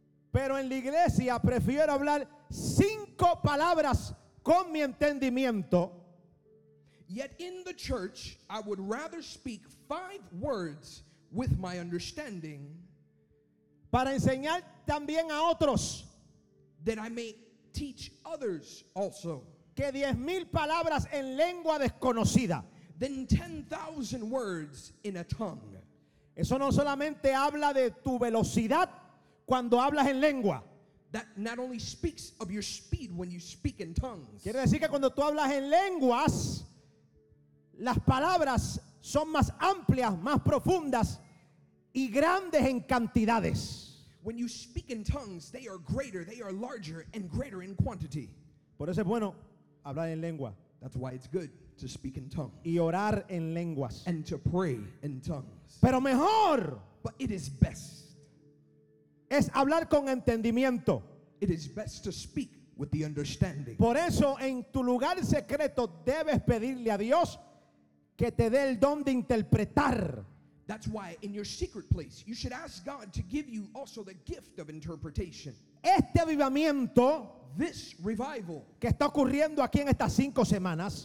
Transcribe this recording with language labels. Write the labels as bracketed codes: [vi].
[es] Pero en la iglesia prefiero hablar cinco palabras con mi entendimiento. [en] Yet in the church, I would rather speak five words with my understanding. [es] Para enseñar también a otros. [en] That I may teach others also. [es] Que 10,000 palabras en lengua desconocida. [en] Than 10,000 words in a tongue. [es] Eso no solamente habla de tu velocidad cuando hablas en lengua. [en] That not only speaks of your speed when you speak in tongues. [es] Quiere decir que cuando tú hablas en lenguas, las palabras son más amplias, más profundas y grandes en cantidades. [en] When you speak in tongues, they are greater, they are larger and greater in quantity. [es] Por eso es bueno hablar en lengua. [en] That's why it's good to speak in tongues. [es] Y orar en lenguas. [en] And to pray in tongues. [es] Pero mejor. [en] But it is best. [es] Es hablar con entendimiento. [en] It is best to speak with the understanding. [es] Por eso en tu lugar secreto debes pedirle a Dios que te dé el don de interpretar. [en] That's why in your secret place you should ask God to give you also the gift of interpretation. [es] Este avivamiento, [en] this revival, [es] que está ocurriendo aquí en estas cinco semanas,